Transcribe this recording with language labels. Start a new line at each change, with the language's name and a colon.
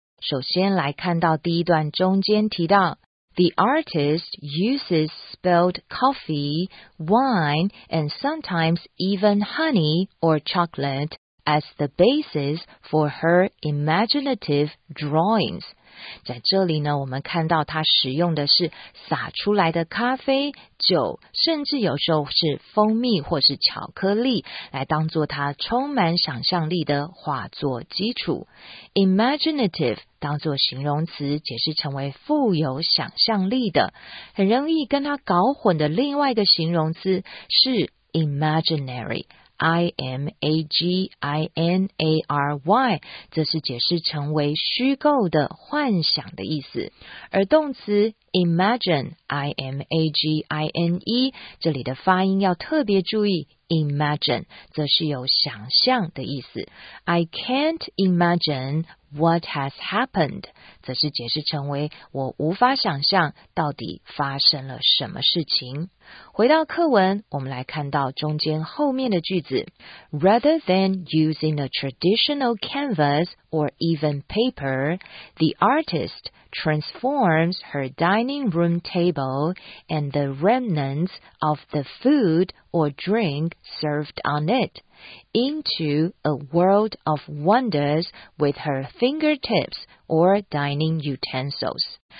Chinese: 首先来看到第一段中间提到
English: The artist uses spilled coffee, wine, and sometimes even honey or chocolate as the basis for her imaginative drawings.
Chinese: 在这里呢，我们看到他使用的是洒出来的咖啡、酒，甚至有时候是蜂蜜或是巧克力，来当作他充满想象力的画作基础。 Imaginative 当作形容词，解释成为富有想象力的。很容易跟他搞混的另外一个形容词是 imaginary。 I-M-A-G-I-N-A-R-Y 则是解释成为虚构的、幻想的意思，而动词 imagine I-M-A-G-I-N-E 这里的发音要特别注意， imagine 则是有想象的意思。
English: I can't imagine what has happened
Chinese: 则是解释成为我无法想象到底发生了什么事情。回到课文，我们来看到中间后面的句子。
English: Rather than using a traditional canvas or even paper, the artist transforms her dining room table and the remnants of the food or drink served on it into a world of wonders with her fingertips or dining utensils.